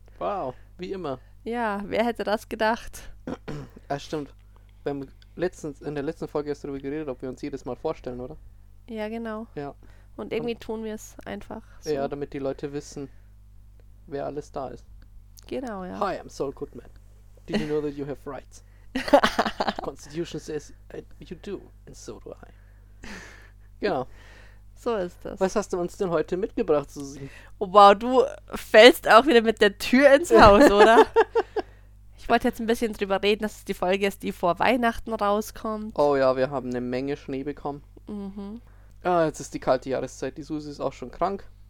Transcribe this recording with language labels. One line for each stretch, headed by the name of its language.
German: Wow, wie immer. Ja, wer hätte das gedacht? Ah, stimmt. In der letzten Folge hast du darüber geredet, ob wir uns jedes Mal vorstellen, oder? Ja, genau. Ja. Und irgendwie tun wir es einfach so. Ja, damit die Leute wissen, wer alles da ist. Genau, ja.
English: Hi, I'm Saul Goodman. Did you know that you have rights? Constitution says you do, and so do I.
German: Genau. So ist das. Was hast du uns denn heute mitgebracht, Susi? Oh wow, du fällst auch wieder mit der Tür ins Haus, oder? Ich wollte jetzt ein bisschen drüber reden, dass es die Folge ist, die vor Weihnachten rauskommt. Oh ja, wir haben eine Menge Schnee bekommen. Mhm. Ah, jetzt ist die kalte Jahreszeit. Die Susi ist auch schon krank.